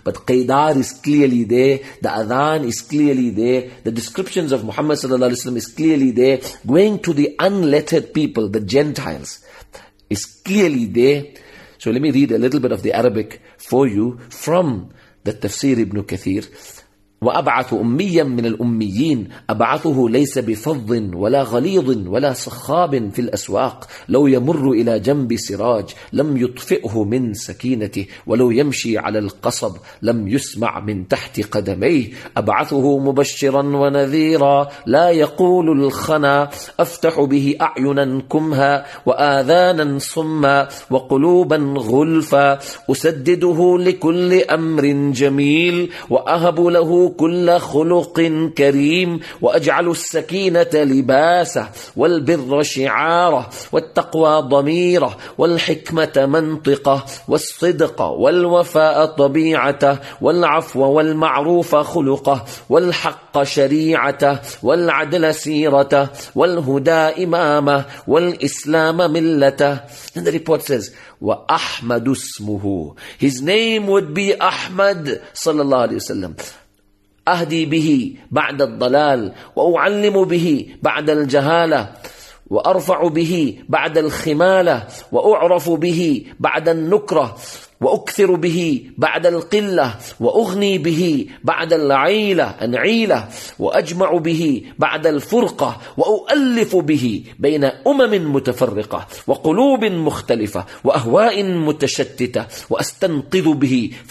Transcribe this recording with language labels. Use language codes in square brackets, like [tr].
[en] But Qaydar is clearly there, the Adhan is clearly there, the descriptions of Muhammad sallallahu alaihi wasallam is clearly there, going to the unlettered people, the Gentiles, is clearly there. So let me read a little bit of the Arabic for you from the Tafsir Ibn Kathir. [ar] وَأَبْعَثُ أُمِّيًّا مِنَ الْأُمِّيِّينَ أَبْعَثُهُ لَيْسَ بِفَضٍّ وَلَا غَلِيظٍ وَلَا صَخَّابٍ فِي الْأَسْوَاقِ لَوْ يَمُرُّ إِلَى جَنْبِ سِرَاجٍ لَمْ يُطْفِئْهُ مِنْ سَكِينَتِهِ وَلَوْ يَمْشِي عَلَى الْقَصَبِ لَمْ يُسْمَعْ مِنْ تَحْتِ قَدَمَيْهِ أَبْعَثُهُ مُبَشِّرًا وَنَذِيرًا لَا يَقُولُ الْخَنَا أَفْتَحُ بِهِ أَعْيُنًا كُمْهَا وَآذَانًا صُمًّا وَقُلُوبًا غُلْفًا أُسَدِّدُهُ لِكُلِّ أَمْرٍ جَمِيلٍ وَأَهَبُ لَهُ كل خلق كريم وأجعل السكينة لباسه والبر شعاره والتقوى ضميره والحكمة منطقه والصدق والوفاء طبيعته والعفو والمعروف خلقه والحق شريعته والعدل سيرته والهدى إمامه والإسلام ملته. [en] And the report says [ar] وأحمد اسمه. [en] His name would be أحمد صلى الله عليه وسلم. [ar] أهدي به بعد الضلال وأعلم به بعد الجهالة وأرفع به بعد الخمالة وأعرف به بعد النكرة وأكثر به بعد القلة وأغني به بعد العيلة أنعيلة وأجمع به بعد الفرقة وأؤلف به بين أمم متفرقة وقلوب مختلفة وأهواء متشتتة وأستنقذ به